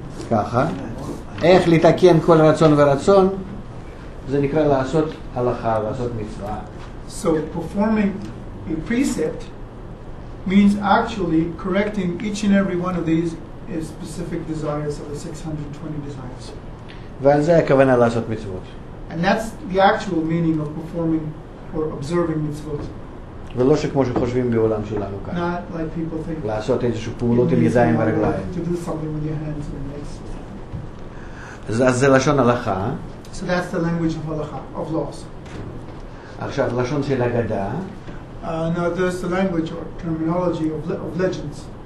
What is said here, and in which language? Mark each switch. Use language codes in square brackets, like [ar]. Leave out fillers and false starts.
[he] ככה. איך לתקן כל רצון ורצון, זה נקרא לעשות הלכה, לעשות מצווה. [en] So performing a precept means actually correcting each and every one of these specific desires of the 620 desires. [he] ועל זה הכוונה לעשות מצוות. [en] And that's the actual meaning of performing or observing mitzvot. [he] ולא שכמו שחושבים בעולם שלנו כאן. [en] Not like people think. [he] לעשות איזשהו פעולות עם ידיים ורגליים. [en] To do something with your hands and legs. [he] אז זה לשון הלכה. [en] So that's the language of הלכה, of laws. [he] עכשיו, לשון של אגדה. [en] No, there's the language or terminology of legends.